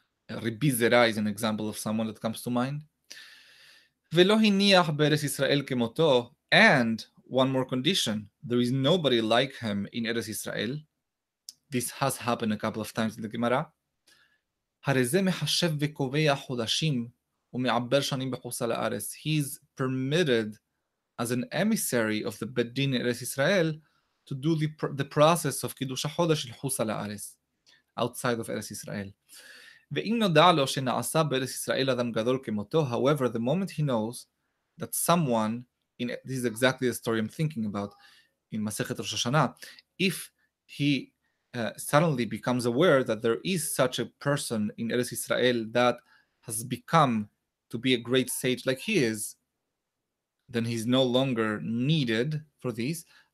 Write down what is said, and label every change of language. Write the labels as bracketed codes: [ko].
[en] Ribi Zera is an example of someone that comes to mind. [he] Ve'lo hiniach be'Eretz Israel kemoto, [en] and one more condition, there is nobody like him in Eretz Israel. This has happened a couple of times in the Gemara. [he] הרי זה מחשב וקובע חודשים ומעבר שנים בחוץ על הארץ. [en] He is permitted as an emissary of the Bet Din Eretz Israel to do the process of [he] קידוש החודש של חוץ על הארץ, [en] outside of Eretz Israel. [he] ואם נודע לו שנעשה בארץ ישראל אדם גדול כמותו, [en] however, the moment he knows that someone, in, this is exactly the story I'm thinking about in מסכת ראש השנה, if he suddenly becomes aware that there is such a person in Eretz Israel that has become to be a great sage like he is, then he's no longer needed for this.